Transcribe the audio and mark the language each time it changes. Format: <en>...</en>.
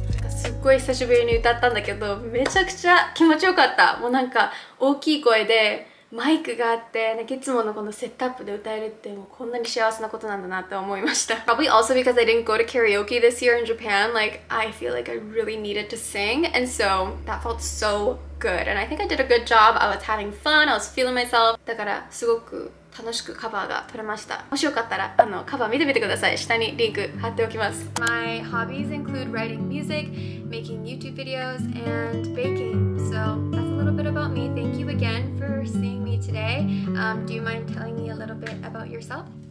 <ja>すごい久しぶりに歌ったんだけど、めちゃくちゃ気持ちよかった。もうなんか大きい声でマイクがあって、なんかいつものこのセットアップで歌えるって、もうこんなに幸せなことなんだなって思いました。</ja> <en>Probably also because I didn't go to karaoke this year in Japan, like I feel like I really needed to sing, and so that felt so good, and I think I did a good job. I was having fun, I was feeling myself.</en> <ja>だからすごく楽しくカバーが撮れました。もしよかったらあのカバー見てみてください。下にリンク貼っておきます。</ja> <en>My hobbies include writing music, making YouTube videos, and baking. So that's a little bit about me. Thank you again for seeing me today. Do you mind telling me a little bit about yourself?</en>